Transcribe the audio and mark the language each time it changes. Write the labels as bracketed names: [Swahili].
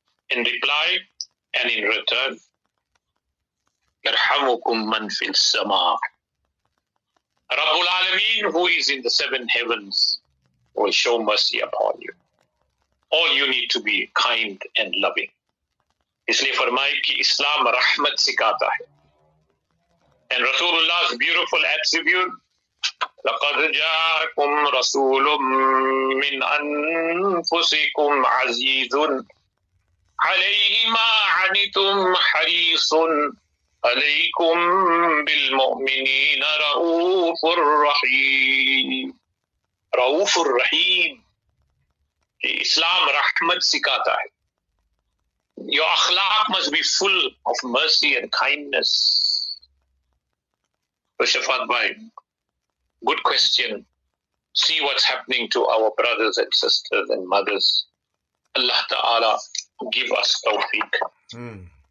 [English] In reply and in return, [Arabic] يَرْحَمُكُمْ مَنْ فِي السَّمَاءِ رَبُّ الْعَالَمِينَ, [English] who is in the seven heavens, will show mercy upon you. All you need to be kind and loving. [Urdu] Isliye farmaye ki Islam rahmat sikata hai. [English] And Rasulullah's beautiful attribute, [Arabic] لَقَدْ جَاءَكُمْ رَسُولٌ مِّنْ أَنفُسِكُمْ عَزِيزٌ عَلَيْهِ مَا عَنِتُمْ حَرِيصٌ عَلَيْكُمْ بِالْمُؤْمِنِينَ رَؤُوفٌ رَحِيمٌ رَؤُوفٌ رَحِيمٌ. [Urdu] Islam rahmat sikata hai. [English] Your akhlaq must be full of mercy and kindness. Shafat Bhai, good question. See what's happening to our brothers and sisters and mothers. Allah Ta'ala, give us tawfiq.